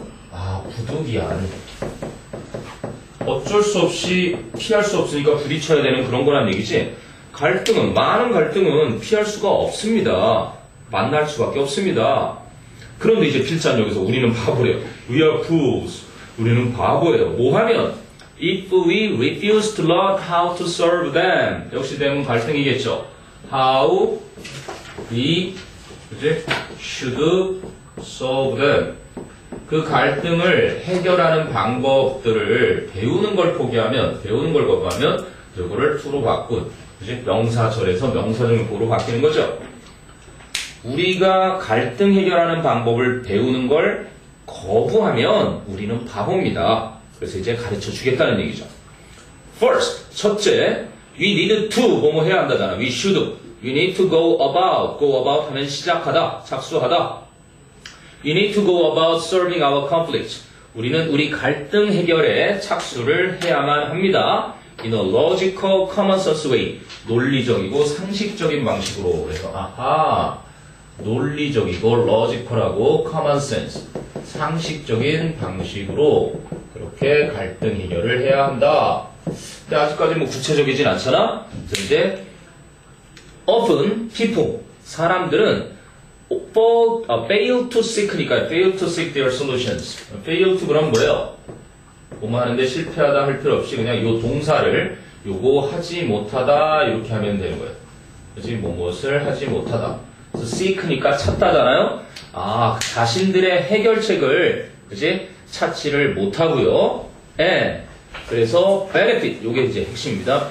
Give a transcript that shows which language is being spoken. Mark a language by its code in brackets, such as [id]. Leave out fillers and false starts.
[ko] 아, 부득이한. 어쩔 수 없이 피할 수 없으니까 부딪혀야 되는 그런 거란 얘기지. 갈등은, 많은 갈등은 피할 수가 없습니다. 만날 수밖에 없습니다. 그런데 이제 필자는 여기서 우리는 바보래요. [en] We are fools. [ko] 우리는 바보예요. 뭐 하면? [en] If we refuse to learn how to solve them. [ko] 역시 them은 갈등이겠죠. [en] How we should solve them. [ko] 그 갈등을 해결하는 방법들을 배우는 걸 포기하면, 배우는 걸 거부하면 이거를 to로 바꾼, 그치? 명사절에서 명사절로 바뀌는 거죠. 우리가 갈등 해결하는 방법을 배우는 걸 거부하면 우리는 바보입니다. 그래서 이제 가르쳐 주겠다는 얘기죠. [en] First, [ko] 첫째, [en] we need to [ko] 뭐뭐 해야 한다잖아. [en] We should, we need to go about. Go about [ko] 하면 시작하다, 착수하다. [en] We need to go about solving our conflicts. [ko] 우리는 우리 갈등 해결에 착수를 해야만 합니다. [en] In a logical, common sense way. [ko] 논리적이고 상식적인 방식으로. 그래서 아하, 논리적이고 logical하고 common sense. 상식적인 방식으로 그렇게 갈등 해결을 해야 한다. 근데 아직까지 뭐 구체적이진 않잖아. 근데 [en] often people, [ko] 사람들은 [en] fail to seek니까 fail to seek their solutions. [ko] fail to 그럼 뭐예요? 뭐하는데 실패하다 할 필요 없이 그냥 요 동사를 요거 하지 못하다 이렇게 하면 되는 거예요. 그지? 무엇을 하지 못하다. 그래서 seek니까 찾다잖아요. 아, 자신들의 해결책을, 그지? 찾지를 못하고요. and 그래서 benefit, 요게 이제 핵심입니다.